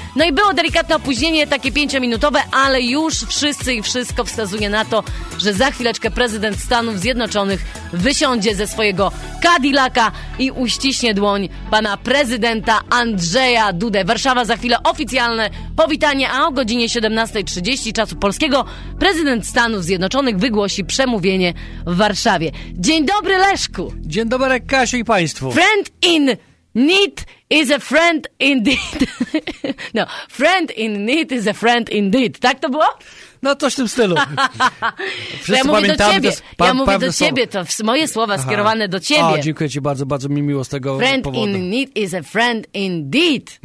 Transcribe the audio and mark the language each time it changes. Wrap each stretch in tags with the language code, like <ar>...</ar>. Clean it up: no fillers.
<pl>No i było delikatne opóźnienie, takie 5-minutowe, ale już wszyscy i wszystko wskazuje na to, że za chwileczkę prezydent Stanów Zjednoczonych wysiądzie ze swojego Cadillaca i uściśnie dłoń pana prezydenta Andrzeja Dudę. Warszawa za chwilę oficjalne powitanie, a o godzinie 17.30 czasu polskiego prezydent Stanów Zjednoczonych wygłosi przemówienie w Warszawie. Dzień dobry, Leszku! Dzień dobry, Kasiu i państwu!</pl> <en>Friend in need is a friend indeed. No, friend in need is a friend indeed.</en> <pl>Tak to było? No, coś w tym stylu. Ja mówię do ciebie. Moje słowa skierowane do ciebie. O, dziękuję ci bardzo, bardzo mi miło z tego</pl> <en>friend</en> <pl>powodu.</pl> <en>Friend in need is a friend indeed.</en>